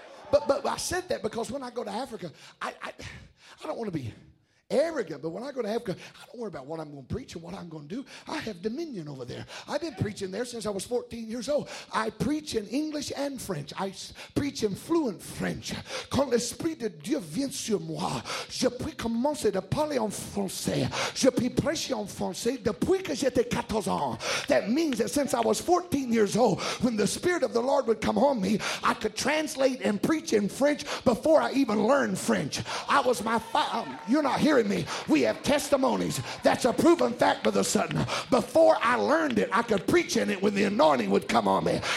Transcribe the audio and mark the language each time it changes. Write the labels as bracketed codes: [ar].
[en] But I said that because when I go to Africa, I don't want to be arrogant, but when I go to Africa, I don't worry about what I'm going to preach and what I'm going to do. I have dominion over there. I've been preaching there since I was 14 years old. I preach in English and French. I preach in fluent French. [fr] Quand l'esprit de Dieu vient sur moi, je puis commencer de parler en français. Je puis prêcher en français depuis que j'étais 14 ans. [en] That means that since I was 14 years old, when the Spirit of the Lord would come on me, I could translate and preach in French before I even learned French. I was my father. You're not here. Hearing me, we have testimonies. That's a proven fact for the sudden. Before I learned it, I could preach in it when the anointing would come on me.